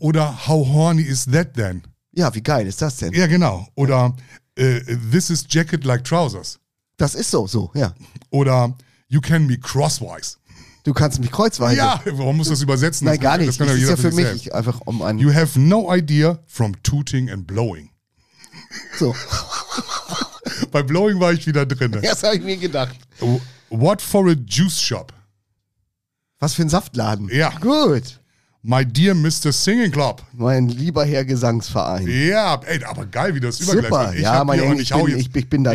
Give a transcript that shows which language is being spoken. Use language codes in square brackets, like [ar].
[en] Oder How horny is that then? [de] Ja, wie geil ist das denn? Ja, genau. [en] Oder This is jacket like trousers. [de] Das ist so, ja. [en] Oder You can be crosswise. [de] Du kannst mich kreuzweise. Ja, warum muss das übersetzen? Nein, gar nicht. Das ist ja für mich einfach um einen. [en] You have no idea from tooting and blowing. [de] So. Bei blowing war ich wieder drin. Das habe ich mir gedacht. [en] What for a juice shop? [de] Was für ein Saftladen. Ja. Gut. [en] My dear Mr. Singing Club. [de] Mein lieber Herr Gesangsverein. Ja, ey, aber geil, wie das übergleicht. Super,